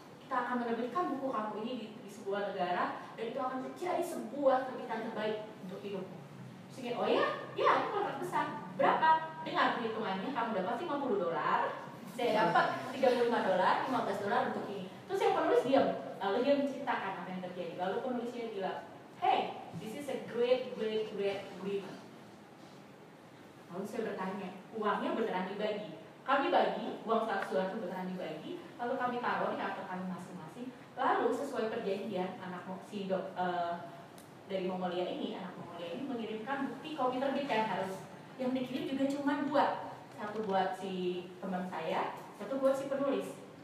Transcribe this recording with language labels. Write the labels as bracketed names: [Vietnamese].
[Indonesian] Kita akan menerbitkan buku kamu ini di sebuah negara dan itu akan menjadi sebuah terbitan terbaik untuk hidupmu. Terus dia, oh ya? Ya, itu kontrak besar. Berapa? Dengan perhitungannya, kamu dapat $50. Saya dapat $35, $15 untuk ini. Terus yang penulis diam. Lalu dia menceritakan apa yang terjadi. Lalu penulisnya bilang, [English] hey, this is a great agreement. [Indonesian] Lalu saya bertanya, uangnya beneran dibagi? Kami bagi, uang $100 itu beneran dibagi, lalu kami taruh di kantor kami masing-masing, lalu sesuai perjanjian, anak si dok, dari Mongolia ini, anak Mongolia ini mengirimkan bukti kopi terbit yang harus, yang dikirim juga cuma dua, satu buat si teman saya, satu buat si penulis.